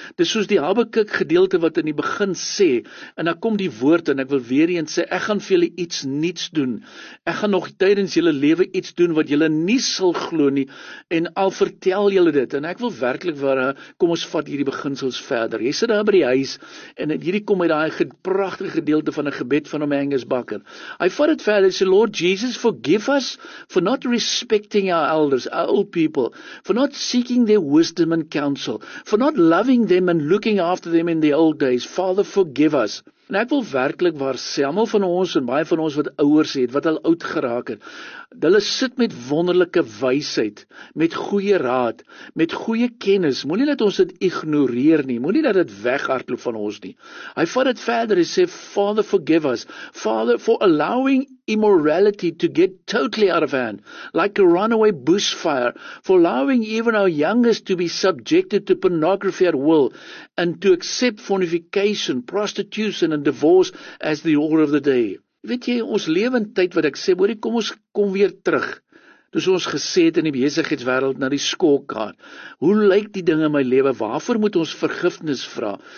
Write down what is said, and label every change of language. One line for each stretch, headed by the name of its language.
Afrikaans: Dis soos die Habakuk gedeelte wat in die begin sê, en dan kom die woord en ek wil weer eens sê, ek gaan vir julle iets niets doen. Ek gaan nog tydens julle lewe iets doen wat julle nie sal glo nie, en al vertel julle dit. En ek wil werklik waar, kom ons vat hierdie beginsels verder. Jy sit daar by die huis, en hierdie kom uit die prachtige gedeelte van 'n gebed van om Angus Bakken. Hy vat het verder, hy sê,
English: Lord Jesus, forgive us for not respecting our elders, our old people, for not seeking their wisdom and counsel, for not loving them and looking after them in the old days. Father, forgive us.
Afrikaans: En ek wil werklik waar sê, almal van ons en baie van ons wat ouers het, wat al oud geraak het, hulle sit met wonderlike wysheid, met goeie raad, met goeie kennis. Moenie dat ons dit ignoreer nie, moenie dat dit weghardloop van ons nie. Hy vat het verder en sê,
English: Father, forgive us. Father, for allowing immorality to get totally out of hand, like a runaway bushfire, for allowing even our youngest to be subjected to pornography at will, and to accept fornication, prostitution and divorce as the order of the day.
Afrikaans: Weet jy, ons lewe in tyd wat ek sê, hoorie, kom ons kom weer terug. Dus ons gesê het in die besigheidswêreld na die skoolkaart. Hoe lyk die ding in my lewe? Waarvoor moet ons vergifnis vra?